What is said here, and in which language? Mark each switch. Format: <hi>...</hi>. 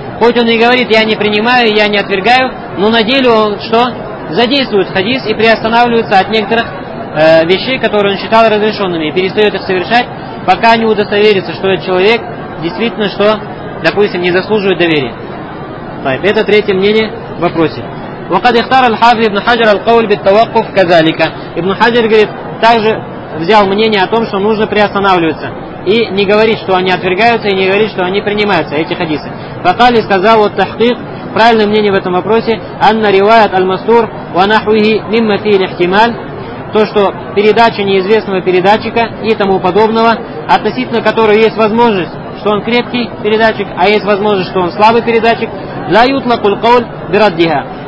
<ru>Хоть он и говорит, я не принимаю, я не отвергаю, но на деле он что? Задействует хадис и приостанавливается от некоторых вещей, которые он считал разрешенными, и перестает их совершать, пока не удостоверится, что этот человек действительно, что, допустим, не заслуживает доверия. Это третье мнение в вопросе.</ru> <ar>وقد اختار الحافظ ابن حجر القول بالتوقف كذلك.</ar> <ru>Ибн Хаджар говорит, также взял мнение о том, что нужно приостанавливаться и не говорить, что они отвергаются, и не говорить, что они принимаются, эти хадисы. Фатали сказал, вот тахқиқ, правильное мнение в этом вопросе,</ru> <ar>анна ривайат аль-масур ва нахвихи мимма фихи ихтималь,</ar> <ru>то, что передача неизвестного передатчика и тому подобного, относительно которого есть возможность, что он крепкий передатчик, а есть возможность, что он слабый передатчик,</ru> <ar>ла ютлаку аль-кауль бираддиха.</ar>